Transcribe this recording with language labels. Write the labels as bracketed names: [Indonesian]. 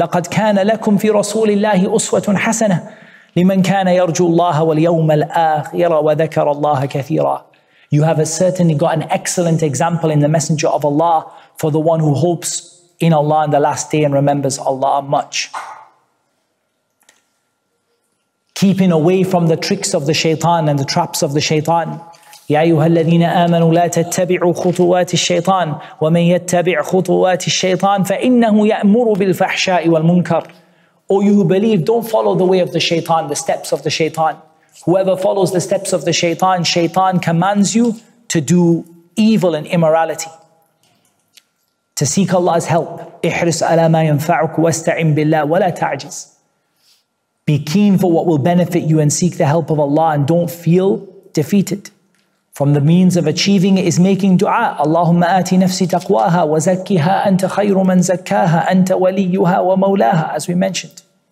[Arabic] لَقَدْ كَانَ لَكُمْ فِي رَسُولِ اللَّهِ أُسْوَةٌ حَسَنَةٌ لِمَنْ كَانَ يَرْجُو اللَّهَ وَالْيَوْمَ الْآخِرَ وَذَكَرَ اللَّهَ كَثِيرًا. [English] You have certainly got an excellent example in the Messenger of Allah for the one who hopes in Allah in the last day and remembers Allah much. Keeping away from the tricks of the shaitan and the traps of the shaitan. [Arabic] يا أيها الذين آمنوا لا تتبعوا خطوات الشيطان ومن يتبع خطوات الشيطان فإنه يأمر بالفحشاء والمنكر. [English] O you who believe, don't follow the way of the shaitan, the steps of the shaitan. Whoever follows the steps of the shaitan, shaitan commands you to do evil and immorality. To seek Allah's help. [Arabic] احرص على ما ينفعك واستعن بالله ولا تعجز. [English] Be keen for what will benefit you and seek the help of Allah and don't feel defeated. From the means of achieving it is making dua. [Arabic] اللهم آتي نفسي تقواها وزكيها أنت خير من زكاها أنت وليها ومولاها, [English] as we mentioned.